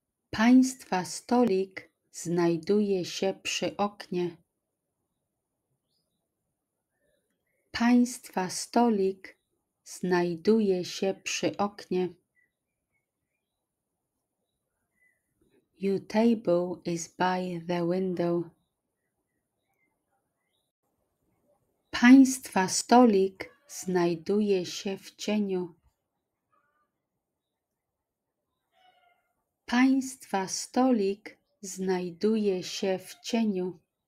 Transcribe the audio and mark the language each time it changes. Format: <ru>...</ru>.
<pl>Państwa stolik znajduje się przy oknie. Państwa stolik znajduje się przy oknie.</pl> <en>Your table is by the window.</en> <pl>Państwa stolik znajduje się w cieniu. Państwa stolik znajduje się w cieniu.</pl>